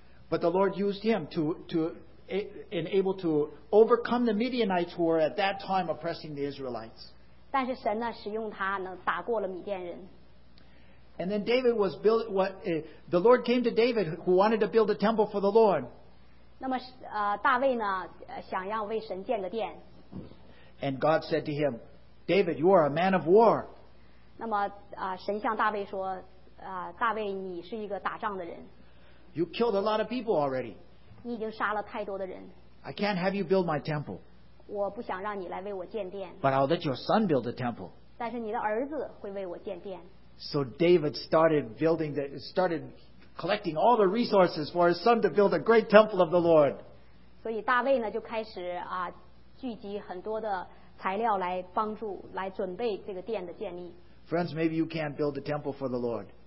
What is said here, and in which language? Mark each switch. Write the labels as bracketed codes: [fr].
[en] But the Lord used him to enable to overcome the Midianites who were at that time oppressing the Israelites. [zh] 但是神呢，使用他呢，打过了米甸人。 [en] And then David was built. What the Lord came to David, who wanted to build a temple for the Lord. [zh] 那么大卫呢，想要为神建个殿。 [en] And God said to him, David, you are a man of war. [zh] 那么神向大卫说，大卫，你是一个打仗的人。 [en] You killed a lot of people already. [zh] 你已经杀了太多的人。 [en] I can't have you build my temple. [zh] 我不想让你来为我建殿。 [en] But I'll let your son build a temple. [zh] 但是你的儿子会为我建殿。 [en] So David started collecting all the resources for his son to build a great temple of the Lord. [zh] 所以大卫呢就开始聚集很多的材料来帮助来准备这个殿的建立。 [en] Friends, maybe you can't build a temple for the Lord.